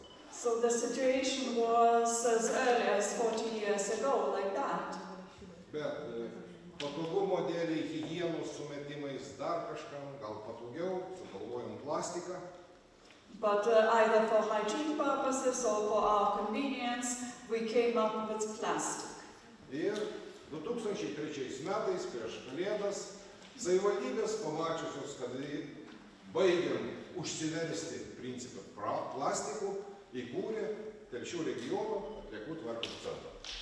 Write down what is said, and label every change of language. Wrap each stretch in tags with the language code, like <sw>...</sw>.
<en>So the situation was as early as 40 years ago, like that.</en> <lt>Bet patogumo dėlį, hygienos sumetimais, dar kažkam, gal patogiau, sugalvojom plastiką.</lt> <en>But either for hygiene purposes or for our convenience, we came up with plastic.</en> <lt>Ir 2003 metais prieš Kalėdas, savivaldybės pamačiusios, kad baigėm užsiversti principą plastikų, įkūrė Telšių regiono atliekų tvarkymo centrą.</lt>